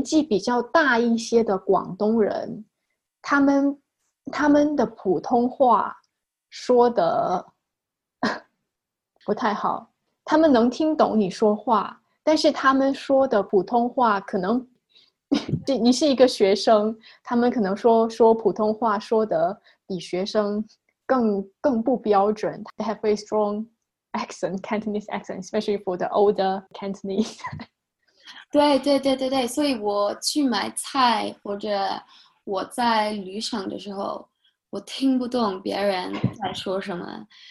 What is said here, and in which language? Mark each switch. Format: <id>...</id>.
<zh>然后尤其是年纪比较大一些的广东人， 他们的普通话说得不太好。他们能听懂你说话， 但是他们说的普通话可能，你是一个学生， 他们可能说普通话说的比学生更不标准。</zh> <en>They have very strong accent, Cantonese accent, especially for the older Cantonese.</en> <zh>对，所以我去买菜或者我在旅程的时候， 我听不懂别人在说什么。</zh>